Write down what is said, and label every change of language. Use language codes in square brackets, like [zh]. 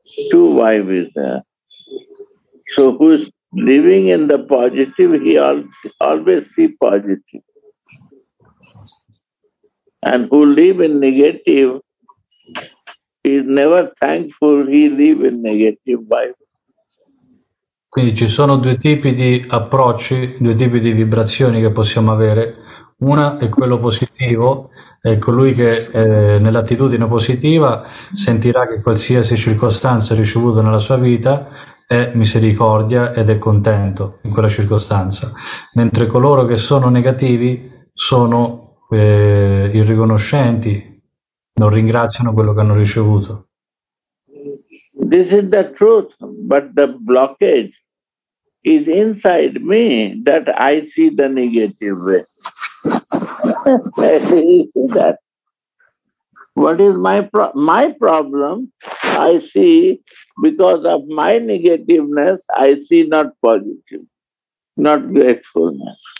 [en] Two vibes is there. So who is living in the positive, he always see positive. And who live in negative is never thankful, he live in negative vibe. [it] Quindi ci sono due tipi di approcci, due tipi di vibrazioni che possiamo avere. Una è quello positivo, è colui che nell'attitudine positiva sentirà che qualsiasi circostanza ricevuta nella sua vita è misericordia ed è contento in quella circostanza, mentre coloro che sono negativi sono irriconoscenti, non ringraziano quello che hanno ricevuto. [en] This is the truth, but the blockage is inside me that I see the negative way. That. What is my problem? I see because of my negativeness, I see not positive, not gratefulness.